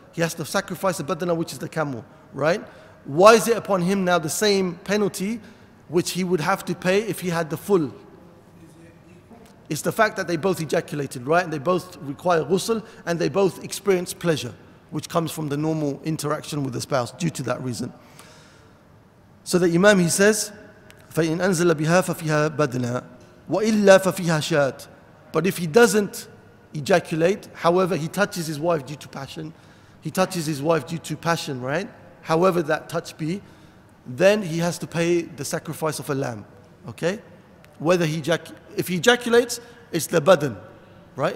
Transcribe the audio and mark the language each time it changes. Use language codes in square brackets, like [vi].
[en] He has to sacrifice a badana, which is the camel, right? Why is it upon him now the same penalty which he would have to pay if he had the full? It's the fact that they both ejaculated, right? And they both require ghusl and they both experience pleasure, which comes from the normal interaction with the spouse due to that reason. So the Imam, he says, [ar] فَإِنْ أَنْزَلَ بِهَا فَفِيهَا بَدْنَا وَإِلَّا فَفِيهَا شَاتٌ. [en] But if he doesn't ejaculate, however, he touches his wife due to passion, right? However that touch be, then he has to pay the sacrifice of a lamb, okay? whether he ejaculates, it's the badan, right?